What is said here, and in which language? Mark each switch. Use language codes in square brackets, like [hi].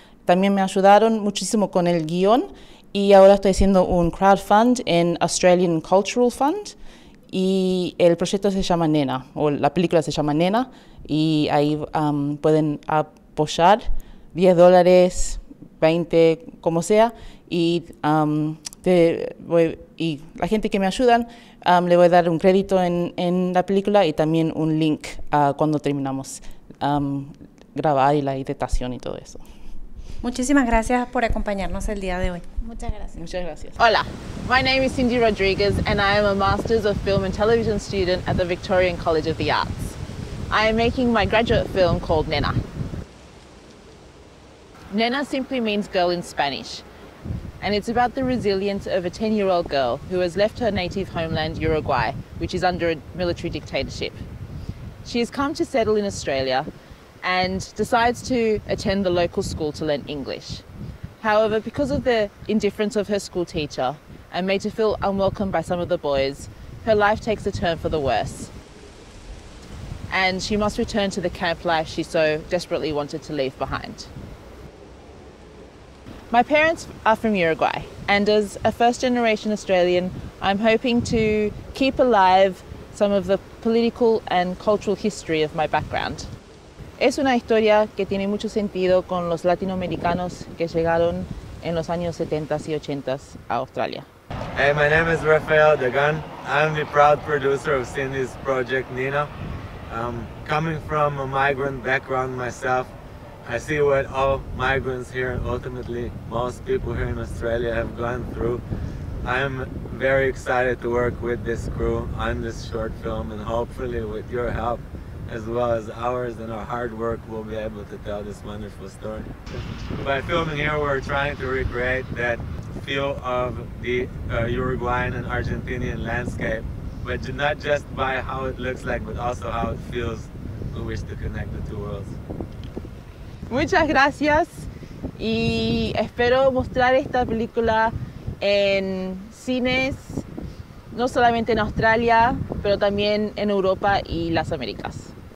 [es] También me ayudaron muchísimo con el guión. Y ahora estoy haciendo un crowdfund en Australian Cultural Fund y el proyecto se llama Nena, o la película se llama Nena, y ahí pueden apoyar $10, 20, como sea, y la gente que me ayudan le voy a dar un crédito en la película y también un link cuando terminamos grabar y la editación y todo eso. Muchísimas gracias por acompañarnos el día de hoy. Muchas gracias. Muchas gracias. [en] Hola, my name is Cindy Rodriguez and I am a Masters of Film and Television student at the Victorian College of the Arts. I am making my graduate film called Nena. Nena simply means girl in Spanish, and it's about the resilience of a 10-year-old girl who has left her native homeland, Uruguay, which is under a military dictatorship. She has come to settle in Australia and decides to attend the local school to learn English. However, because of the indifference of her school teacher and made to feel unwelcome by some of the boys, her life takes a turn for the worse. and she must return to the camp life she so desperately wanted to leave behind. My parents are from Uruguay, and as a first-generation Australian, I'm hoping to keep alive some of the political and cultural history of my background. [es] Es una historia que tiene mucho sentido con los latinoamericanos que llegaron en los años 70s y 80s a Australia. [en] Hey, my name is Rafael Dagan. I'm the proud producer of Cindy's project, Nina. Coming from a migrant background myself, I see what all migrants here, ultimately most people here in Australia, have gone through. I'm very excited to work with this crew on this short film, and hopefully with your help, as well as ours and our hard work, we'll be able to tell this wonderful story. By filming here, we're trying to recreate that feel of the Uruguayan and Argentinian landscape, but not just by how it looks like, but also how it feels. We wish to connect the two worlds. [es] Muchas gracias, y espero mostrar esta película en cines, no solamente en Australia, pero también en Europa y las Américas.